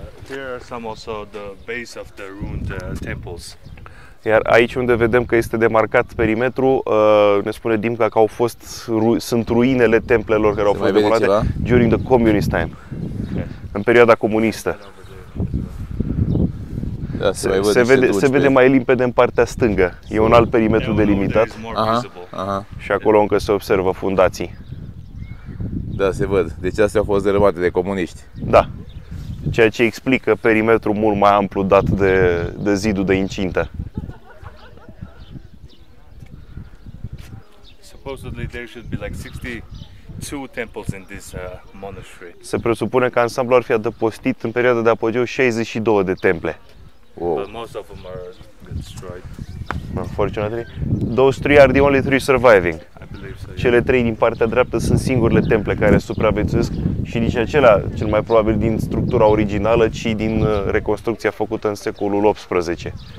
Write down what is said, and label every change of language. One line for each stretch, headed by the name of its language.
English: Here are some also the base of the ruined temples.
Romanian: Iar aici unde vedem că este demarcat perimetru, ne spune Dimca că sunt ruinele templelor care au fost demolate
English: during the communist time. Yes.
Romanian: În perioada comunistă. Da, se vede mai limpede în partea stângă. E un alt perimetru delimitat. Aha. Și acolo încă se observă fundații. Da, se văd. Deci astea au fost dărâmate de comuniști. Da. Ceea ce explică perimetrul mult mai amplu dat de zidul de incintă.
English: Supposedly there should be like 62 temples in this monastery.
Romanian: Se presupune că ansamblul ar fi adăpostit în perioada de apogeu 62 de temple.
English: Wow. But most of them are destroyed. Unfortunately, those three are the only three surviving.
Romanian: Cele trei din partea dreaptă sunt singurele temple care supraviețuiesc și nici acelea, cel mai probabil din structura originală, ci din reconstrucția făcută în secolul 18.